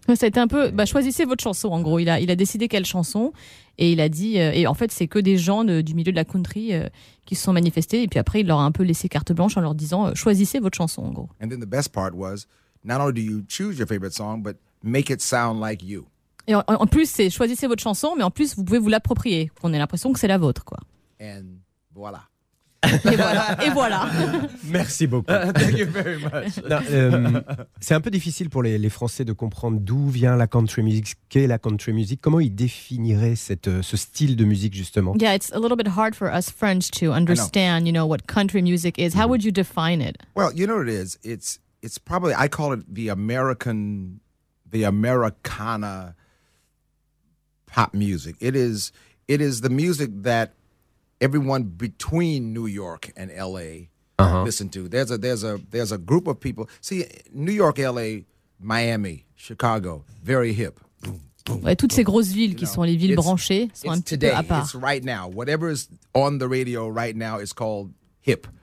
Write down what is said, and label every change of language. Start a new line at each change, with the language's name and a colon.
French: C'était un peu, choisissez votre chanson, en gros. Il a décidé quelle chanson, et il a dit, et en fait, c'est que des gens du milieu de la country qui se sont manifestés, et puis après, il leur a un peu laissé carte blanche en leur disant, choisissez votre chanson, en gros.
English: And then the best part was, not only do you choose your favorite song, but make it sound like you.
French: Et en plus, c'est choisissez votre chanson, mais en plus, vous pouvez vous l'approprier, qu'on ait l'impression que c'est la vôtre, quoi.
English: And voilà.
French: Et voilà. Merci beaucoup.
English: Thank you very much.
French: Non, c'est un peu difficile pour les Français de comprendre d'où vient la country music, qu'est la country music. Comment ils définiraient ce style de musique justement?
English: Yeah, it's a little bit hard for us French to understand, you know, what country music is. How would you define it? Well, you know what it is. It's probably, I call it the Americana pop music. It is the music that everyone between New York and L.A. listen to. There's a group of people. See, New York, L.A., Miami, Chicago, very hip.
French: Ouais, toutes ces grosses villes qui sont les villes branchées sont un petit
English: today,
French: peu à part.
English: It's right now. Whatever is on the radio right now is called hip.